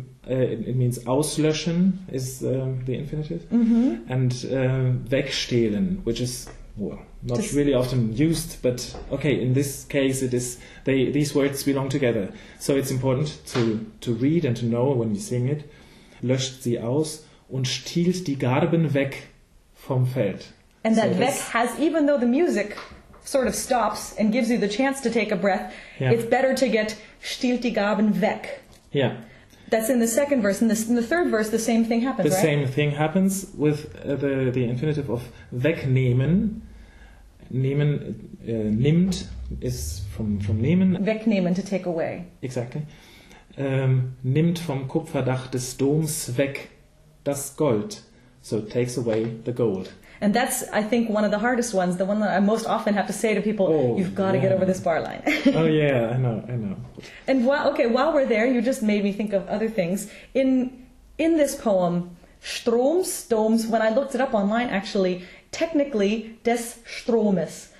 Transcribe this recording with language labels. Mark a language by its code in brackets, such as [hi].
[en] It means auslöschen is the infinitive, mm-hmm. and wegstehlen, which is not really often used, but okay, in this case it is. These words belong together, so it's important to read and to know when you sing it. [de] Löscht sie aus und stiehlt die Garben weg vom Feld. [en] And that weg has, even though the music sort of stops and gives you the chance to take a breath, yeah. it's better to get [de] stiehlt die Garben weg. [en] Yeah. That's in the second verse. In the third verse, the same thing happens, the right? The same thing happens with the infinitive of wegnehmen. Nehmen, nimmt is from nehmen. Wegnehmen, to take away. Exactly. [de] Nimmt vom Kupferdach des Doms weg das Gold. [en] So it takes away the gold. And that's, I think, one of the hardest ones, the one that I most often have to say to people, you've got to get over this bar line. Oh, yeah, I know. And while we're there, you just made me think of other things. In this poem, Stroms, Doms, when I looked it up online, actually, technically, [de] des Stromes.